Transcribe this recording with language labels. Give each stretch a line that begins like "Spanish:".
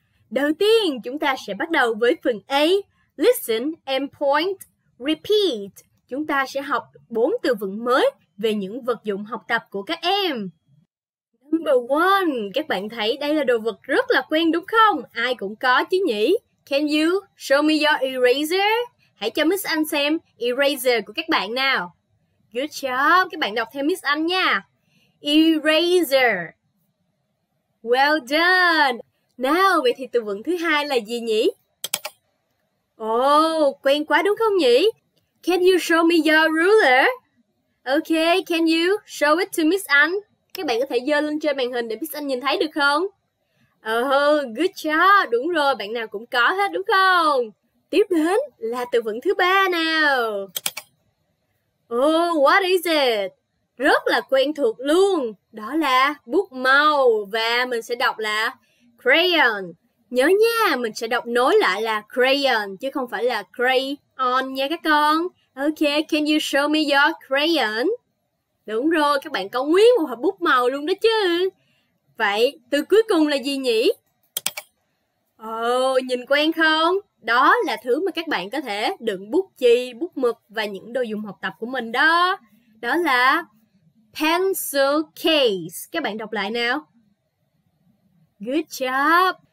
Vietnamese: Đầu tiên, chúng ta sẽ bắt đầu với phần A,
English: listen and point repeat.
Vietnamese: Chúng ta sẽ học 4 từ vựng mới về những vật dụng học tập của các em. Number 1, các bạn thấy đây là đồ vật rất là quen đúng không? Ai cũng có chứ nhỉ?
English: Can you show me your eraser?
Vietnamese: Hãy cho Miss Anh xem eraser của các bạn nào.
English: Good job,
Vietnamese: các bạn đọc theo Miss Anh nha.
English: Eraser. Well done.
Vietnamese: Nào, vậy thì từ vựng thứ hai là gì nhỉ?
English: Oh,
Vietnamese: quen quá đúng không nhỉ?
English: Can you show me your ruler? Okay, can you show it to Miss Anh?
Vietnamese: Các bạn có thể giơ lên trên màn hình để Miss Anh nhìn thấy được không?
English: Oh, good job.
Vietnamese: Đúng rồi, bạn nào cũng có hết đúng không? Tiếp đến là từ vựng thứ ba nào.
English: Oh, what is it?
Vietnamese: Rất là quen thuộc luôn. Đó là bút màu và mình sẽ đọc là crayon. Nhớ nha, mình sẽ đọc nối lại là crayon chứ không phải là crayon nha các con.
English: Okay, can you show me your crayon?
Vietnamese: Đúng rồi, các bạn có nguyên một hộp bút màu luôn đó chứ. Vậy, từ cuối cùng là gì nhỉ? Ồ, nhìn quen không? Đó là thứ mà các bạn có thể đựng bút chì, bút mực và những đồ dùng học tập của mình đó. Đó là pencil case. Các bạn đọc lại nào.
English: Good job.